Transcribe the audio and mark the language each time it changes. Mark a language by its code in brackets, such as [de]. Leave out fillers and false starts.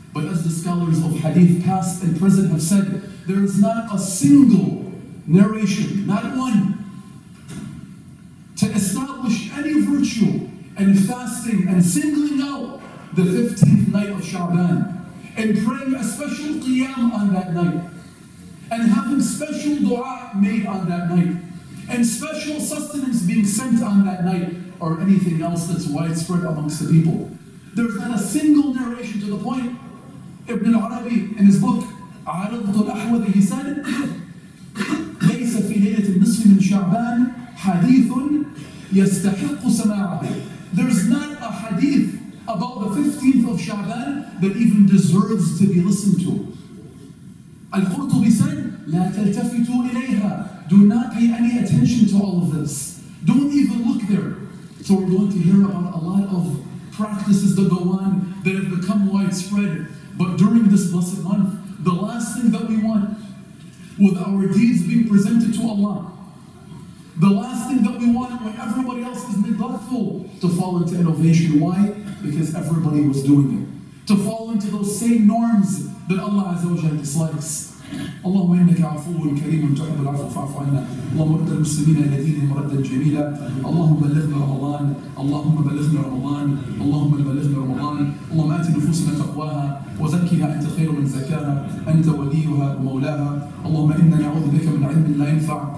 [en] But as the scholars of hadith past and present have said, there is not a single narration, not one, to establish any virtue and fasting and singling out the 15th night of Sha'ban and praying a special qiyam on that night and time, special dua made on that night, and special sustenance being sent on that night, or anything else that's widespread amongst the people. There's not a single narration to the point. Ibn al-Arabi, in his book, [ar] عرضت الأحوذ, he said, ليس في ليلة النصف من شعبان حديث يستحق سماعه. [en] There's not a hadith about the 15th of Sha'ban that even deserves to be listened to. Al-Qurtubi said, [ar] لا تلتفتوا إليها. [en] Do not pay any attention to all of this. Don't even look there. So we're going to hear about a lot of practices that go on that have become widespread. But during this blessed month, the last thing that we want, with our deeds being presented to Allah, the last thing that we want when everybody else is neglectful, to fall into innovation. Why? Because everybody was doing it. To fall into those same norms that Allah Azza wa Jalla dislikes. [ar] اللهم إنك عفو كريم تحب العفو فاعف عنا اللهم رد المسلمين إلى دينهم ردا جميلا اللهم بلغنا رمضان اللهم بلغنا رمضان اللهم بلغنا رمضان اللهم آت نفوسنا تقواها وزكها أنت خير من زكاها أنت وليها ومولاها اللهم إنا نعوذ بك من علم لا ينفع